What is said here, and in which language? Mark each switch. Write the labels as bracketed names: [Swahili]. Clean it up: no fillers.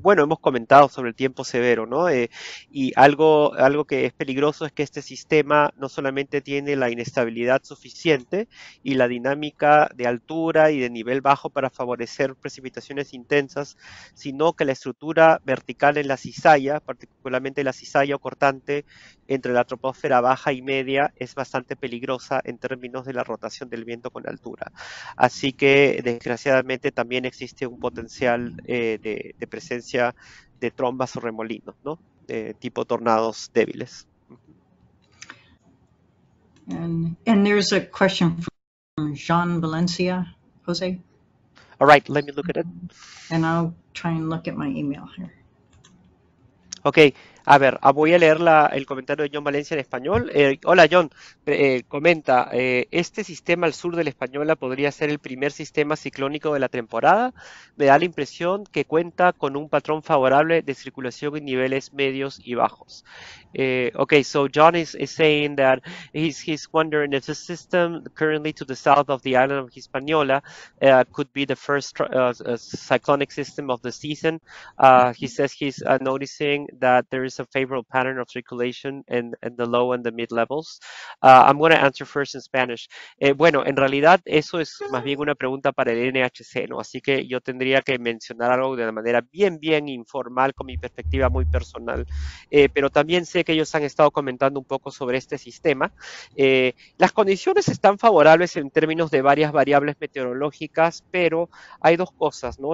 [Spanish] Bueno, hemos comentado sobre el tiempo severo, ¿no? Y algo que es peligroso es que este sistema no solamente tiene la inestabilidad suficiente y la dinámica de altura y de nivel bajo para favorecer precipitaciones intensas, sino que la estructura vertical en la cizalla, particularmente la cizalla o cortante entre la troposfera baja y media, es bastante peligrosa en términos de la rotación del viento con altura. Así que desgraciadamente también existe un potencial de presencia de trombas o remolinos, ¿no? Tipo tornados débiles. [English] And there's a question from Jean Valencia, Jose. All right, let me look at it. And I'll try and look at my email here. [Spanish] Ok, a ver, voy a leer el comentario de John Valencia en español. Hola John, comenta, este sistema al sur de la Española podría ser el primer sistema ciclónico de la temporada. Me da la impresión que cuenta con un patrón favorable de circulación en niveles medios y bajos. [English] Ok, so John is saying that he's wondering if the system currently to the south of the island of Hispaniola could be the first cyclonic system of the season. He says he's noticing that there is a favorable pattern of circulation in the low and the mid levels. I'm going to answer first in Spanish. [Spanish] Bueno, en realidad eso es más bien una pregunta para el NHC, ¿no? Así que yo tendría que mencionar algo de una manera bien, bien informal con mi perspectiva muy personal. Pero también sé que ellos han estado comentando un poco sobre este sistema. Las condiciones están favorables en términos de varias variables meteorológicas, pero hay dos cosas, ¿no?